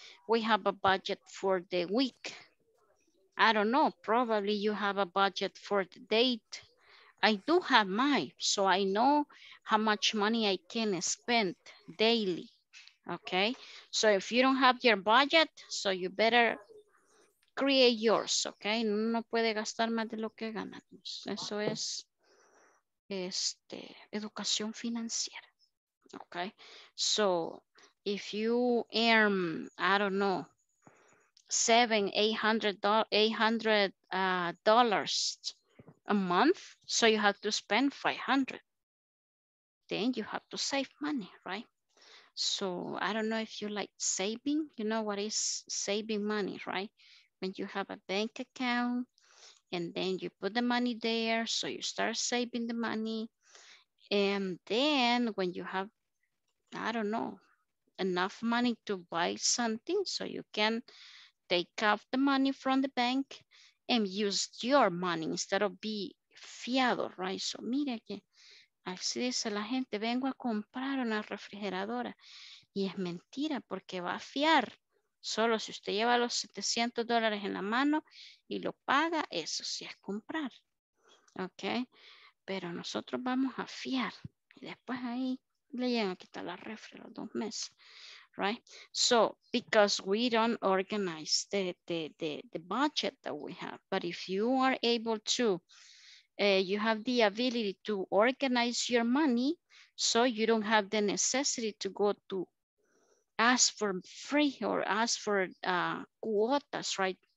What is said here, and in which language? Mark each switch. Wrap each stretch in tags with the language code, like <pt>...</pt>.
<en>We have a budget for the week. I don't know. Probably you have a budget for the date. I do have mine. So I know how much money I can spend daily. Okay. So if you don't have your budget, so you better create yours. Okay.</en> <es>No puede gastar más de lo que gana. Eso es educación financiera.</es> <en>Okay, so if you earn, I don't know, $700, $800 a month, so you have to spend $500. Then you have to save money, right? So I don't know if you like saving. You know what is saving money, right? When you have a bank account and then you put the money there, so you start saving the money. And then when you have, I don't know, enough money to buy something, so you can take out the money from the bank and use your money instead of be fiado, right?</en> <es>So mire que así dice la gente, vengo a comprar una refrigeradora. Y es mentira porque va a fiar. Solo si usted lleva los $700 en la mano y lo paga, eso sí es comprar. Okay, pero nosotros vamos a fiar y después ahí le llegan a quitar la refri los dos meses, right?</es> <en>So, because we don't organize the budget that we have, but if you are able to, you have the ability to organize your money, so you don't have the necessity to go to ask for free or ask for quotas, right?</en>